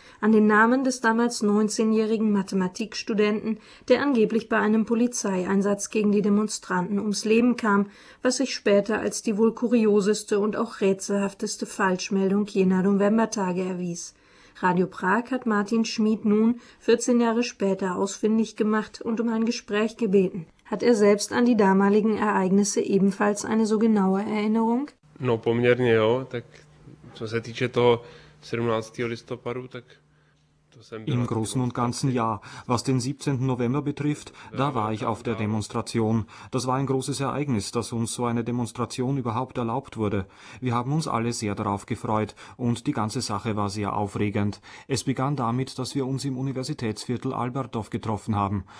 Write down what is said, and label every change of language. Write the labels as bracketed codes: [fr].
[de] An den Namen des damals 19-jährigen Mathematikstudenten, der angeblich bei einem Polizeieinsatz gegen die Demonstranten ums Leben kam, was sich später als die wohl kurioseste und auch rätselhafteste Falschmeldung jener Novembertage erwies. Radio Prag hat Martin Schmid nun, 14 Jahre später, ausfindig gemacht und um ein Gespräch gebeten. Hat er selbst an die damaligen Ereignisse ebenfalls eine so genaue Erinnerung? [cs] No, poměrně jo, tak co se týče toho 17. listopadu, tak... [de] Im Großen und Ganzen ja. Was den 17. November betrifft, da war ich auf der Demonstration. Das war ein großes Ereignis, dass uns so eine Demonstration überhaupt erlaubt wurde. Wir haben uns alle sehr darauf gefreut und die ganze Sache war sehr aufregend. Es begann damit, dass wir uns im Universitätsviertel Albertdorf getroffen haben.